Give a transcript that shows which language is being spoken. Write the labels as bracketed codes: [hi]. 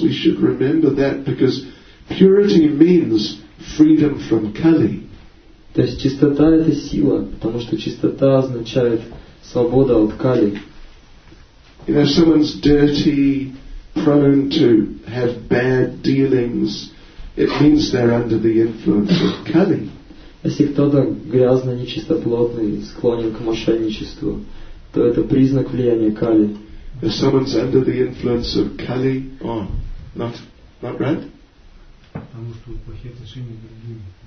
[en] We should remember that because purity means freedom from Kali. [ru] То есть чистота — это сила, потому что чистота означает свобода от Кали. [en] You know, someone's dirty, prone to have bad dealings, it means they're under the influence of Kali. [ru] Если кто-то грязный, нечистоплотный, склонен к мошенничеству, то это признак влияния Кали. [en] If someone's under the influence of Kali, oh, not right? [ru] Потому что плохие отношения с другими.